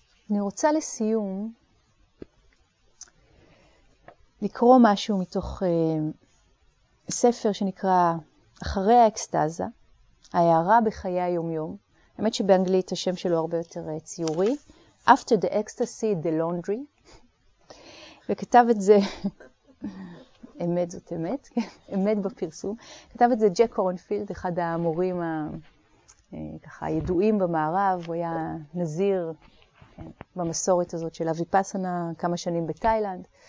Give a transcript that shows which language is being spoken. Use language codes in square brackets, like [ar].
[he] אני רוצה לסיום לקרוא משהו מתוך ספר שנקרא אחרי האקסטזה, ההערה בחיי היומיום. האמת שבאנגלית השם שלו הרבה יותר ציורי. [en] After the ecstasy, the laundry. [he] וכתב את זה, אמת זאת אמת, אמת בפרסום. כתב את זה ג'ק קורנפילד, אחד המורים ככה הידועים במערב. הוא היה נזיר במסורת הזאת של הוויפאסנה כמה שנים בתאילנד.